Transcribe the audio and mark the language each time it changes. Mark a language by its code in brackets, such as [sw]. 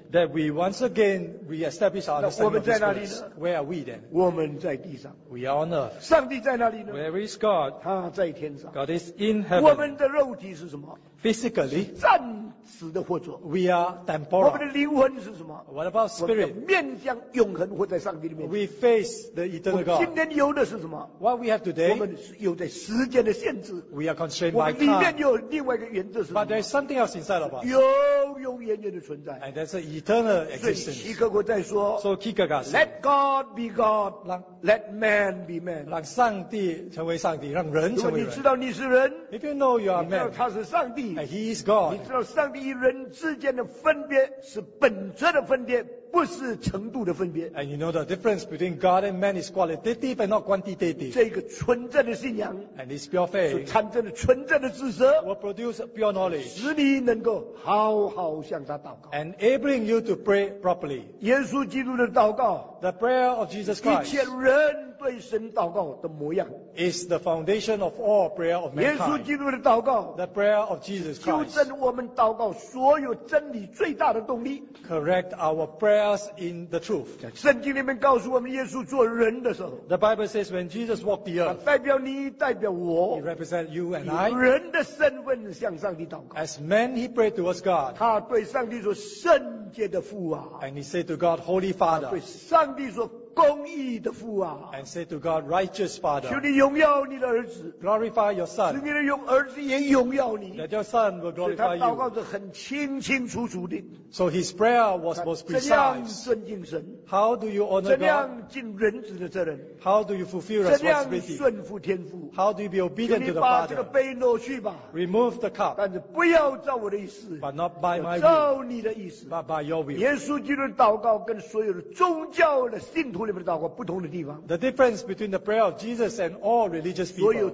[en] that we once again reestablish our understanding of this place [zh] 那我们在哪里呢 [en] where are we then [zh] 我们在地上 [en] we are on earth [zh] 上帝在哪里呢 [en] where is God [zh] 他在天上 [en] God is in heaven [zh] 我们的肉体是什么 [en] physically [zh] 暂时的活着 [en] we are temporal [zh] 我们的灵魂是什么 [en] what about spirit [zh] 我们面向永恒活在上帝里面 [en] we face the eternal God [zh] 我们今天有的是什么 [en] what we have today [zh] 我们有在时间的限制 [en] we are constrained by time [zh] 我们里面有另外一个原则是什么 [en] but there is something else inside [zh] 有永远远的存在 [en] and that's an eternal existence [zh] 所以齐克果在说 [en] so Kierkegaard said let God be God let man be man [zh] 让上帝成为上帝让人成为人如果你知道你是人 [en] if you know you are man [zh] 你知道他是上帝 [en] and he is God [zh] 你知道上帝与人之间的分别是本质的分别不是程度的分别 [en] and you know the difference between God and man is qualitative and not quantitative [zh] 这个纯正的信仰 [en] and this pure faith [zh] 所产生的纯正的知识 [en] will produce pure knowledge [zh] 使你能够好好向他祷告 [en] and enabling you to pray properly [zh] 耶稣基督的祷告 [en] the prayer of Jesus Christ [zh] 一切人对神祷告的模样 [en] is the foundation of all prayer of mankind [zh] 耶稣基督的祷告 [en] the prayer of Jesus Christ [zh] 纠正我们祷告所有真理最大的动力 [en] correct our prayers in the truth [zh] 圣经里面告诉我们耶稣做人的时候 [en] the Bible says when Jesus walked the earth [zh] 代表你代表我 [en] he represents you and I [zh] 以人的身份向上帝祷告 [en] as man he prayed towards God [zh] 他对上帝说圣洁的父啊 [en] and he said to God holy father [zh] 对上帝说公义的父啊 [en] ，and say to God, righteous Father, [zh] 求你荣耀你的儿子 [en] ，glorify your son, [zh] 使你的儿子也荣耀你 [en] ，that your son will glorify you. [zh] 所以他祷告的很清清楚楚的。 [en] So his prayer was most precise. [zh] 怎样尊敬神 [en] ？How do you honor God？ [zh] 怎样尽人子的责任 [en] ？How do you fulfill responsibility？ [zh] 怎样顺服天父 [en] ？How do you be obedient to the [zh] Father？ 你把这个杯挪去吧 [en] ，remove the cup， [zh] 但是不要照我的意思 [en] ，but not by my will， [zh] 照你的意思 [en] ，but by your will。 [zh] 耶稣基督的祷告跟所有的宗教的信徒。 [en] The difference between the prayer of Jesus and all religious people.